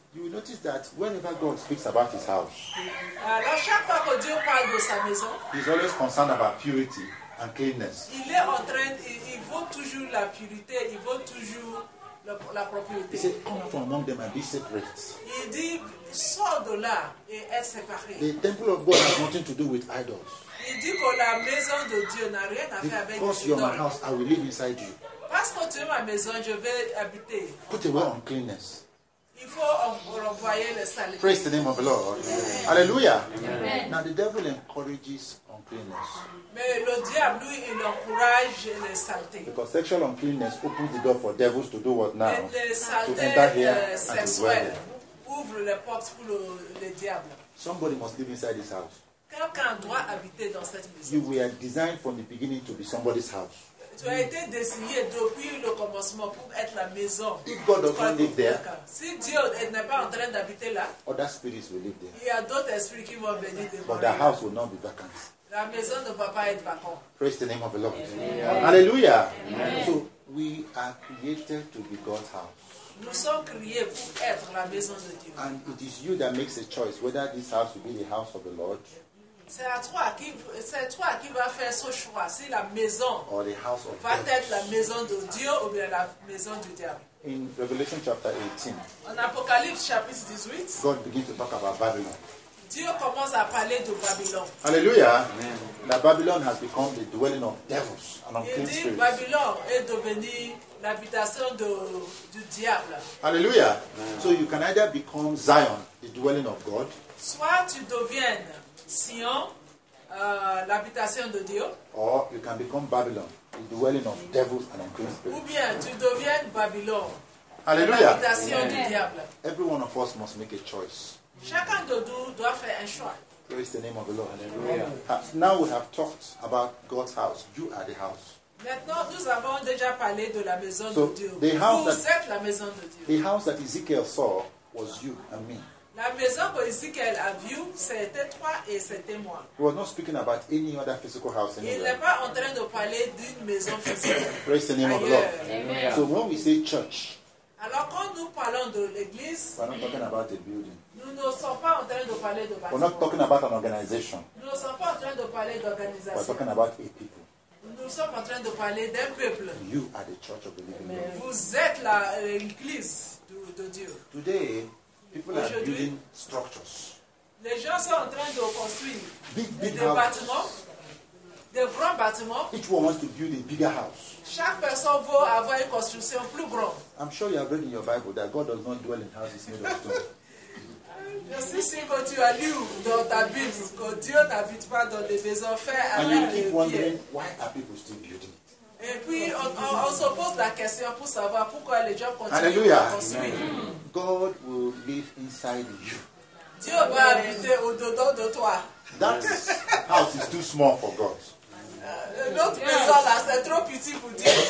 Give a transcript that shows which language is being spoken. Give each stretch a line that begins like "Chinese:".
English: You will notice that whenever God speaks about his house,
French: à chaque fois que Dieu parle de sa maison,
English: he's always concerned about purity and cleanness.
French: Il est en train, il veut toujours la purité, il veut toujours la propriété.
English: He said, come from among them and be separate.
French: Il dit, sors de là et être séparé.
English: The temple of God has nothing to do with idols.
French: Il dit que la maison de Dieu n'a rien à faire avec
English: idols. Because you're my house, I will live inside you.
French: Parce que tu es ma maison, je vais habiter.
English: Put away uncleanness.
French: Il faut renvoyer les saletés.
English: Praise the name of the Lord. Hallelujah. Amen. Now the devil encourages uncleanness.
French: Mais le diable, lui, il encourage les saletés.
English: Because sexual uncleanness opens the door for devils to do what now?
French: Les saletés sexuelles ouvrent les portes pour le diable.
English: Somebody must live inside this house.
French: Quelqu'un doit habiter dans cette maison.
English: You were designed from the beginning to be somebody's house.
French: Tu as été désigné depuis le commencement pour être la maison.
English: If God doesn't live there,
French: si Dieu n'est pas en train d'habiter là,
English: other spirits will live there.
French: Il y a d'autres esprits qui vont venir demeurer.
English: But the house will not be vacant.
French: La maison ne va pas être vacante.
English: Praise the name of the Lord. Amen. Hallelujah. Amen. So we are created to be God's house.
French: Nous sommes créés pour être la maison de Dieu.
English: And it is you that makes a choice whether this house will be the house of the Lord.
French: C'est toi qui va faire ce choix. Si la maison
English: or the house of
French: va
English: God.
French: Être la maison de Dieu ou bien la maison du diable.
English: In Revelation chapter 18.
French: En Apocalypse chapitre 18.
English: God begins to talk about Babylon.
French: Dieu commence à parler de Babylon. Hallelujah. Amen.
English: That Babylon has become the dwelling of devils and unclean spirits.
French: Il dit Babylon est devenu l'habitation du diable. Hallelujah. Amen.
English: So you can either become Zion, the dwelling of God.
French: Soit tu deviens Sion, l'habitation de Dieu.
English: Or you can become Babylon, the dwelling of devils and unclean spirits.
French: Ou bien tu deviens Babylon. Alléluia. L'habitation du diable.
English: Every one of us must make a choice.
French: Chacun de nous doit faire un choix.
English: Praise the name of the Lord. Hallelujah. Now we have talked about God's house. You are the house.
French: Maintenant, nous avons déjà parlé de la maison
English: so
French: de Dieu.
English: The house
French: vous
English: that,
French: êtes la maison de Dieu.
English: The house that Ezekiel saw was you and me.
French: La maison que Ezekiel a vue, c'était toi et c'était moi.
English: He was not speaking about any other physical house anywhere.
French: Il n'est pas en train de parler d'une maison physique.
English: Praise the name
French: ailleurs.
English: Of the Lord. Amen. So when we say church,
French: alors quand nous parlons de l'église,
English: we're not talking about a building.
French: Nous ne sommes pas en train de parler de bâtiments.
English: We're not talking about an organization.
French: Nous ne sommes pas en train de parler d'organisation.
English: We're talking about a people.
French: Nous sommes en train de parler d'un peuple.
English: You are the church of the living God.
French: Vous êtes la église de Dieu.
English: Today, people are building structures.
French: Les gens sont en train de construire
English: big
French: des bâtiments, des grands bâtiments.
English: Each one wants to build a bigger house.
French: Chaque personne veut avoir une construction plus grande.
English: I'm sure you have read in your Bible that God does not dwell in houses made of stone.
French: Je suis sûr que tu as lu dans ta Bible que Dieu n'habite pas dans des maisons faites avec des pierres.
English: And you keep wondering, why are people still building?
French: Et puis on se pose la question pour savoir pourquoi les gens continuent à construire.
English: God will live inside you.
French: Dieu va habiter au-dedans de toi.
English: That house is too small for God.
French: Notre maison là, c'est trop petit pour Dieu.